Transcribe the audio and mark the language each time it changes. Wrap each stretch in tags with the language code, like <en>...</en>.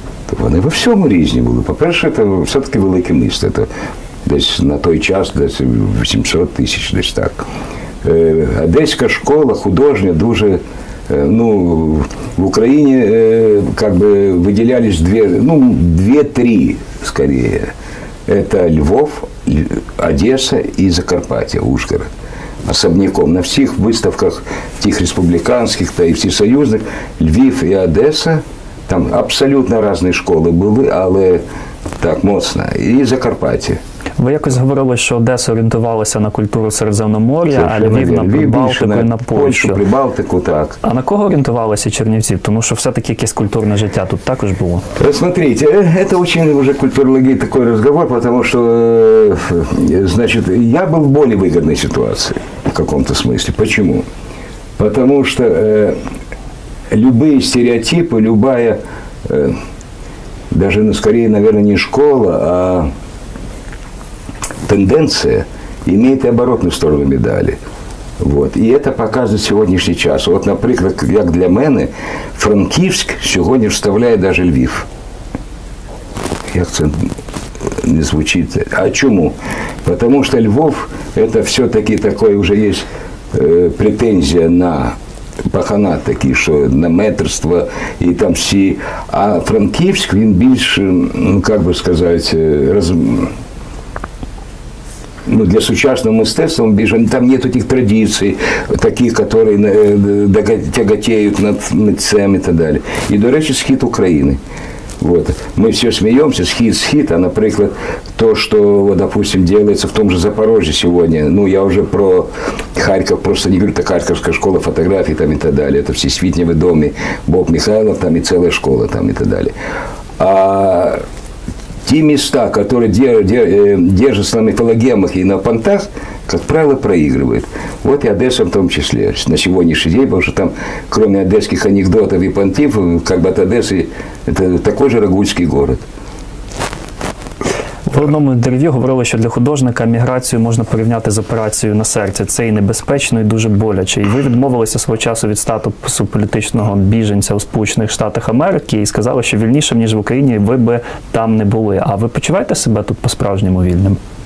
<uk>То вони во всьому різні були. По-перше, це все-таки велике місто. Це десь на той час, десь 800 тисяч, десь так. Одеська школа художня дуже, ну, в Україні как би виділялись дві-три, скоріше.</uk> <ru>Это Львов, Одеса и Закарпаття, Ужгород. Особняком. На всех выставках, тех республиканских, то и всесоюзных, Львов и Одеса, там абсолютно разные школы были,</ru> <uk>але так,</uk> <ru>мощно. И Закарпаття.</ru> <uk>Ви якось говорили, що Одеса орієнтувалася на культуру Середземномор'я, а Львів на Прибалтику і на Польщу. Польщу, Прибалтику, так. А на кого орієнтувалися чернівці? Тому що все-таки якесь культурне життя тут також було.</uk> <ru>Смотрите, это очень уже культурологический такой разговор, потому что, значит, я был в более выгодной ситуации в каком-то смысле. Почему? Потому что любые стереотипы, любая, даже, ну, скорее, наверное, не школа, а тенденция имеет и оборотную сторону медали. Вот. И это показывает сегодняшний час. Вот, например, как для меня, Франківськ сегодня вставляет даже Львів. Как это не звучит? А чому? Потому что Львов – это все-таки такое, уже есть претензия на пахана такие, что на метрство и там все.</ru> <uk>А Франківськ,</uk> <ru>он больше, ну, как бы сказать,</ru> <uk>ну, для сучасного мистецтва біжать, там нету тих традицій, таких, які тяготіють над митцем і так далі. І, до речі, схід України. Вот. Ми все сміємося, схід, а, наприклад, то, що, допустим, робиться в тому ж Запорожжі сьогодні, ну, я вже про Харків, просто не говорю, це Харківська школа фотографій там і так далі, це всесвітньо відомі Боб Михайлов там і ціла школа там і так далі. А ті міста, які держаться на міфологемах і на понтах,</uk> <ru>как правило, проигрывает. Вот и Одесса в том числе. На сегодняшний день, потому что там, кроме одесских анекдотов и понтифов, как бы от Одессы, это такой же рогульский город.</ru> <uk>В одному інтерв'ю говорили, що для художника міграцію можна порівняти з операцією на серці. Це і небезпечно, і дуже боляче. І ви відмовилися свого часу від статусу політичного біженця у Сполучених Штатах Америки і сказали, що вільнішим, ніж в Україні, ви би там не були. А ви почуваєте себе тут по-справжньому вільним?</uk>